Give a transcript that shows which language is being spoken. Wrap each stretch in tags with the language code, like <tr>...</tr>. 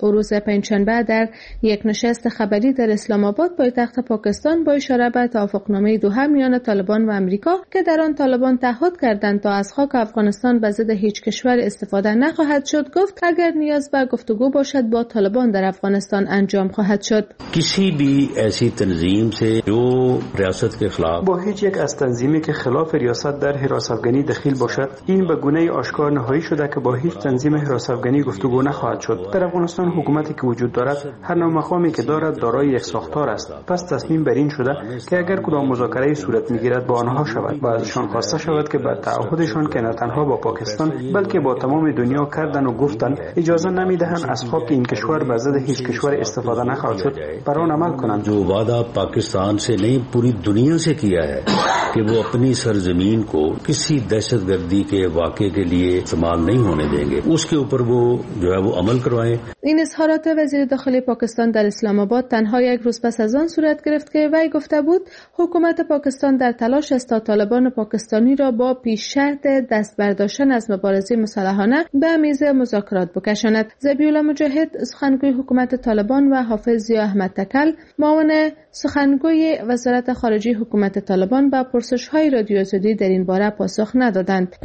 <fa>او روز پنجشنبه در یک نشست خبری در اسلام آباد پایتخت پاکستان با اشاره به توافقنامه دوحه میان طالبان و آمریکا که در آن طالبان تعهد کردند تا از خاک افغانستان به ضد هیچ کشور استفاده نخواهد شد گفت اگر نیاز به گفتگو باشد با طالبان در افغانستان انجام خواهد شد.</fa> <ur>کسی بی ایسی تنظیم سے جو ریاست کے خلاف</ur> <fa>با هیچ یک از تنظیمی که خلاف ریاست در هراس افغانی دخیل باشد، این به گونه آشکار نهایی شده که با هیچ تنظیم هراس افغانی گفتگو نخواهد شد. در افغانستان حکومتی که وجود دارد هر نوع مقامی که دارد دارای یک ساختار است. پس تصمیم بر این شده که اگر کدام مذاکره صورت میگیرد با آنها شود و ازشان خواسته شود که بر تعهدشان که نه تنها با پاکستان بلکه با تمام دنیا کردن و گفتن اجازه نمی دهن از خاک این کشور به ضد هیچ کشور استفاده نخواهد شد بر آن عمل کنند.</fa> <ur>جو وعده پاکستان سے نہیں پوری دنیا سے کیا ہے کہ وہ اپنی سرزمین کو کسی دہشت گردی کے واقعے کے لیے استعمال نہیں ہونے دیں گے اس کے اوپر وہ جو ہے وہ عمل کروائیں.</ur> <fa>این اظهارات وزیر داخلی پاکستان در اسلام آباد تنها یک روز پس از آن صورت گرفت که وی گفته بود حکومت پاکستان در تلاش است تا طالبان پاکستانی را با پیش شرط دست برداشتن از مبارزه مسلحانه به میز مذاکرات بکشاند. ذبیح‌الله مجاهد سخنگوی حکومت طالبان و حافظ ضیاء احمد تکل معاون سخنگوی وزارت خارجه حکومت طالبان به پرسش‌های رادیو آزادی در این باره پاسخ ندادند.</fa>